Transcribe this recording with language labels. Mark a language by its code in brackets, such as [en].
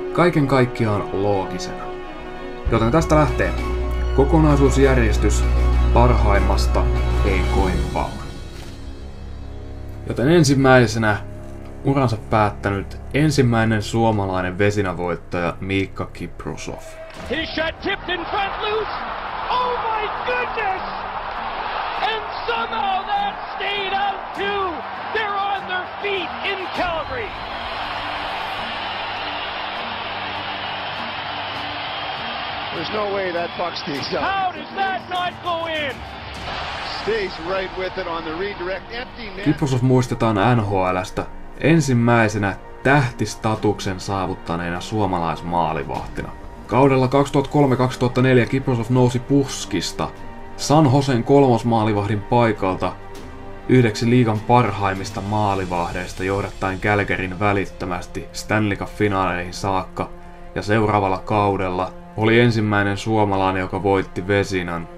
[fi] Kaiken kaikkiaan loogisena. Joten tästä lähtee kokonaisuusjärjestys parhaimmasta heikoimpaan. Joten ensimmäisenä uransa päättänyt ensimmäinen suomalainen vesinävoittaja Miikka Kiprusoff. [en] His shot tipped in front loose. Oh my goodness! And somehow that stayed out too. They're on their feet in Calgary. There's no way that puck stays out. How does that not go in? Stays right with it on the redirect. Empty net. [fi] Kiprusoff muistetaan NHL:stä ensimmäisenä tähtistatuksen saavuttaneena suomalaismaalivahtina. Kaudella 2003-2004 Kiprusoff nousi Puskista San Josen kolmosmaalivahdin paikalta yhdeksi liigan parhaimmista maalivahdeista johdattaen Calgaryn välittömästi Stanley Cup-finaaleihin saakka, ja seuraavalla kaudella oli ensimmäinen suomalainen, joka voitti Vezinan.